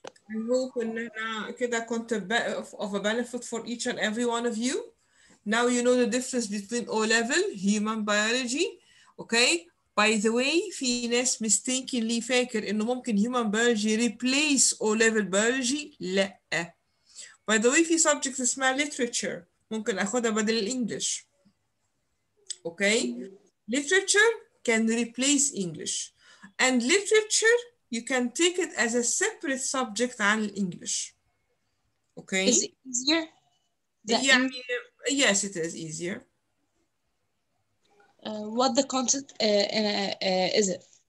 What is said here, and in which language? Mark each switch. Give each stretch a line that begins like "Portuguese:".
English: I hope
Arabic: إن أنا كده كنت
English: of a benefit for each and every one of you. Now you know the difference between O-level, human biology, okay? By the way,
Arabic: في ناس
English: mistakenly
Arabic: فاكر إنه ممكن
English: human biology replace O-level biology.
Arabic: لا.
English: By the way,
Arabic: في subject اسمها literature, ممكن أخدها بدل الإنجليش.
English: Okay? Literature can replace English. And literature, you can take it as a separate subject
Arabic: عن الإنجليش.
English: Okay? Is it easier? Yes, it is easier. What the concept is it?